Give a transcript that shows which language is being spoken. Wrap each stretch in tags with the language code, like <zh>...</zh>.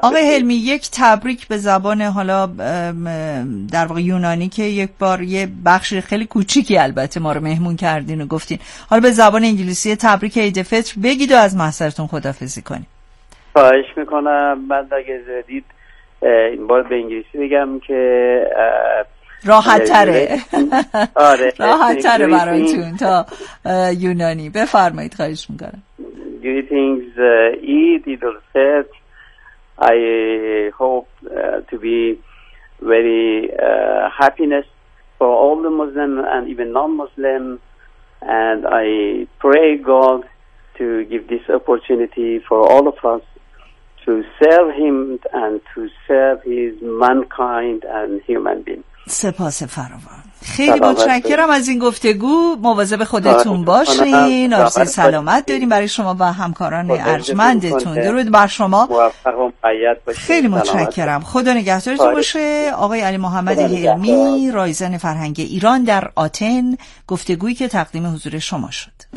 <fa>آقای هلمی، یک تبریک به زبان حالا در واقع یونانی که یک بار یه بخش خیلی کوچیکی البته ما رو مهمون کردین و گفتین، حالا به زبان انگلیسی تبریک عید فطر بگید و از محضرتون خدافظی کنید. خواهش میکنم. من اگه زدید این بار به انگلیسی بگم که راحت تره. آره. راحت تره براتون تا یونانی. بفرمایید، خواهش میکنم.</fa> <en>Greetings Eid Eid al-Fitr. I hope to be very happiness for all the Muslim and even non-Muslim, and I pray God to give this opportunity for all of us to serve him and to serve his mankind and human being.</en> <fa>سپاس فراوان. خیلی متشکرم از این گفتگو. مواظب خودتون باشین. آرزوی سلامت داریم برای شما و همکاران ارجمندتون. درود بر شما. خیلی متشکرم. خدا نگهدارتون باشه. آقای علی محمد هلمی، رایزن فرهنگ ایران در آتن، گفتگویی که تقدیم حضور شما شد.</fa>